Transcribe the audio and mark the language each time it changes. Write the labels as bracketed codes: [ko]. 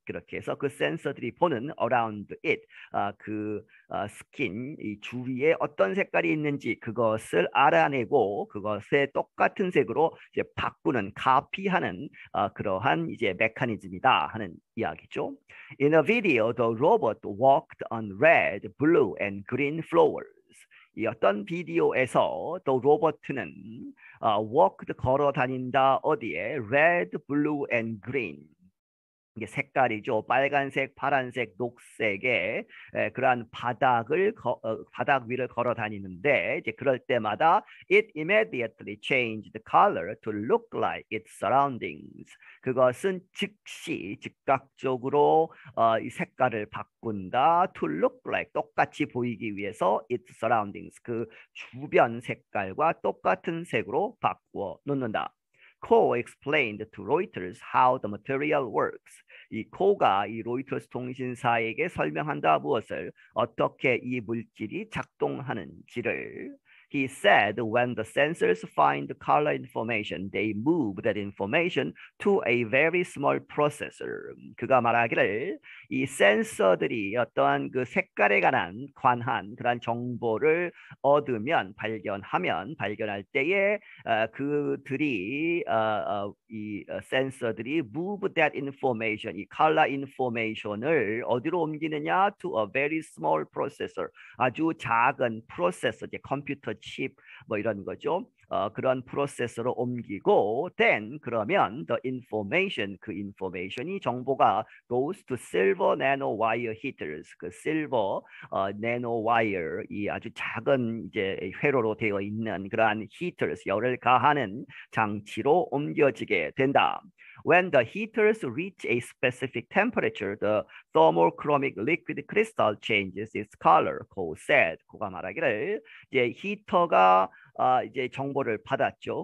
[ko] 그렇게 해서 그 센서들이 보는 [en] around it, [ko] 그 스킨, 이 주위에 어떤 색깔이 있는지 그것을 알아내고 그것의 똑같은 색으로 이제 바꾸는, 카피하는 그러한 이제 메커니즘이다 하는 이야기죠. [en] In a video, the robot walked on red, blue, and green flowers. [ko] 이 어떤 비디오에서 the 로봇은 walked 걸어 다닌다 어디에? [en] Red, blue, and green. [ko] 이게 색깔이죠. 빨간색, 파란색, 녹색의 그러한 바닥 위를 걸어 다니는데 이제 그럴 때마다 [en] it immediately changed the color to look like its surroundings. [ko] 그것은 즉시 즉각적으로 이 색깔을 바꾼다. [en] To look like [ko] 똑같이 보이기 위해서 [en] its surroundings [ko] 그 주변 색깔과 똑같은 색으로 바꾸어 놓는다. [en] Co explained to Reuters how the material works. [ko] 이 코가 이 로이터스 통신사에게 설명한다 무엇을 어떻게 이 물질이 작동하는지를. [en] He said when the sensors find color information, they move that information to a very small processor. [ko] 그가 말하기를 이 센서들이 어떠한 그 색깔에 관한 그런 정보를 얻으면 발견할 때에 그들이 이 센서들이 [en] move that information, [ko] 이 color information을 어디로 옮기느냐? [en] To a very small processor. [ko] 아주 작은 프로세서, 이제 컴퓨터 칩뭐 이런 거죠. 그런 프로세서로 옮기고, then 그러면 [en] the information, [ko] 그 information이 정보가 [en] goes to silver nano wire heaters. [ko] 그 silver nano wire 이 아주 작은 이제 회로로 되어 있는 그러한 heaters 열을 가하는 장치로 옮겨지게 된다. [en] When the heaters reach a specific temperature, the thermochromic liquid crystal changes its color, Coe said. [ko] 코가 말하기를 이제 히터가 이제 정보를 받았죠.